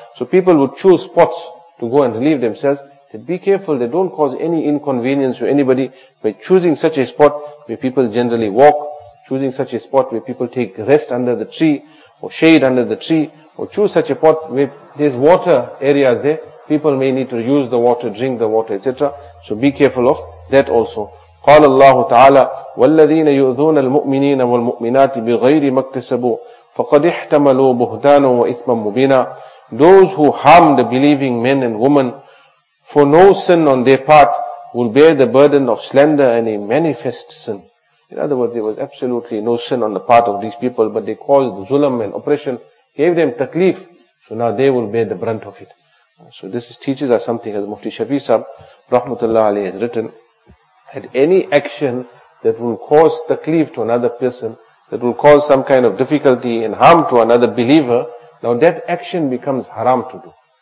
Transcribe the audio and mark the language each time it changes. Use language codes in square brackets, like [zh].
[en] So people would choose spots to go and relieve themselves. They'd be careful, they don't cause any inconvenience to anybody by choosing such a spot where people generally walk, choosing such a spot where people take rest under the tree or shade under the tree, or choose such a spot where there's water areas there. People may need to use the water, drink the water, etc. So be careful of that also. [ar] قال الله تعالى والذين يؤذون المؤمنين والمؤمنات بغير ما اكتسبوا فقد احتملوا بهتانا وإثما مبينا. [en] Those who harm the believing men and women for no sin on their part will bear the burden of slander and a manifest sin. In other words, there was absolutely no sin on the part of these people, but they caused zulm and oppression, gave them takleef. So now they will bear the brunt of it. So this teaches us something, as Mufti Shafi Sahib rahmatullah alayhi has written, that any action that will cause takleef to another person, that will cause some kind of difficulty and harm to another believer, now that action becomes haram to do.